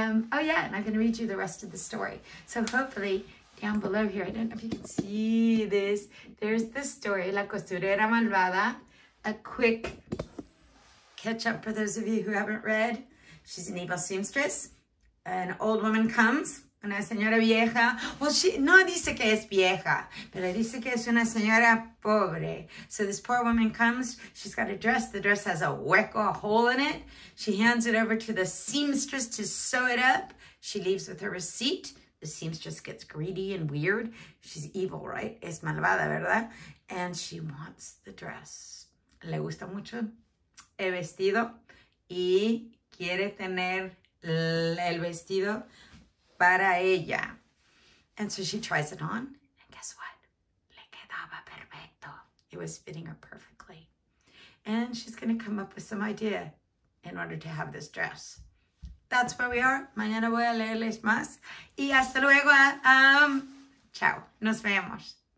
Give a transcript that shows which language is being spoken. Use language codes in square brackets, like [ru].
[en] Oh yeah, and I'm going to read you the rest of the story. So hopefully, down below here, I don't know if you can see this. There's the story, La Costurera Malvada. A quick catch up for those of you who haven't read. She's an evil seamstress. An old woman comes, [es] una señora vieja. [en] Well, she [es] no dice que es vieja, pero dice que es una señora pobre. [en] So this poor woman comes. She's got a dress. The dress has a hueco, a hole in it. She hands it over to the seamstress to sew it up. She leaves with her receipt. The seamstress gets greedy and weird. She's evil, right? [es] Es malvada, ¿verdad? [en] And she wants the dress. [es] Le gusta mucho el vestido y quiere tener el vestido para ella. [en] And so she tries it on. And guess what? [es] Le quedaba perfecto. [en] It was fitting her perfectly. And she's going to come up with some idea in order to have this dress. That's where we are. [es] Mañana voy a leerles más. Y hasta luego. Chao. Nos vemos.